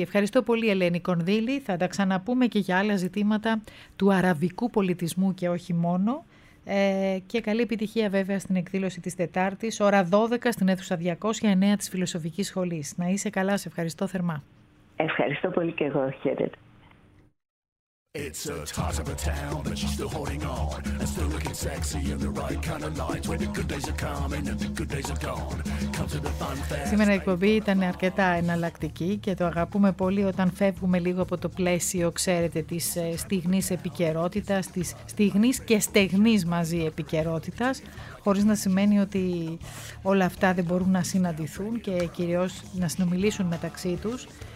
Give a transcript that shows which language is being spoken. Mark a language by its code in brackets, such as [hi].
[el] Ευχαριστώ πολύ, Ελένη Κονδύλη. Θα τα ξαναπούμε και για άλλα ζητήματα του αραβικού πολιτισμού και όχι μόνο. Και καλή επιτυχία βέβαια στην εκδήλωση της Τετάρτης, ώρα 12 στην αίθουσα 209 της Φιλοσοφικής Σχολής. Να είσαι καλά, σε ευχαριστώ θερμά. Ευχαριστώ πολύ και εγώ, χαίρετε. [en] It's a tart of a town, but she's still holding on, and still looking sexy in the right kind of light. When the good days are coming and the good days are gone, come to the fun fair. [el] Σήμερα η εκπομπή ήταν αρκετά εναλλακτική και το αγαπούμε πολύ όταν φεύγουμε λίγο από το πλαίσιο, ξέρετε, της στιγμής επικαιρότητας, της στιγμής και στεγνής μαζί επικαιρότητας, χωρίς να σημαίνει ότι όλα αυτά δεν μπορούν να συναντηθούν και κυρίως να συνομιλήσουν μεταξύ τους.